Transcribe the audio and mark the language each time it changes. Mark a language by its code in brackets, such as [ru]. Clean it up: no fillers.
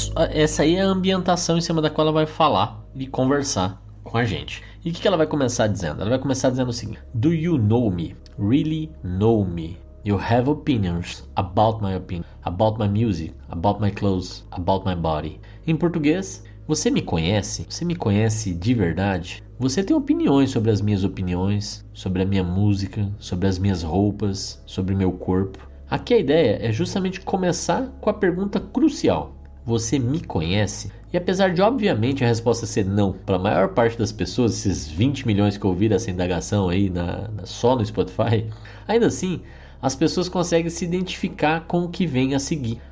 [pt] Essa aí é a ambientação em cima da qual ela vai falar e conversar com a gente. E o que ela vai começar dizendo? Ela vai começar dizendo o seguinte: [en] Do you know me? Really know me? You have opinions about my opinion, about my music, about my clothes, about my body. [pt] Em português, você me conhece? Você me conhece de verdade? Você tem opiniões sobre as minhas opiniões, sobre a minha música, sobre as minhas roupas, sobre o meu corpo? Aqui a ideia é justamente começar com a pergunta crucial. Você me conhece? E apesar de, obviamente, a resposta ser não, para a maior parte das pessoas, esses 20 milhões que ouviram essa indagação aí só no Spotify, ainda assim, as pessoas conseguem se identificar com o que vem a seguir.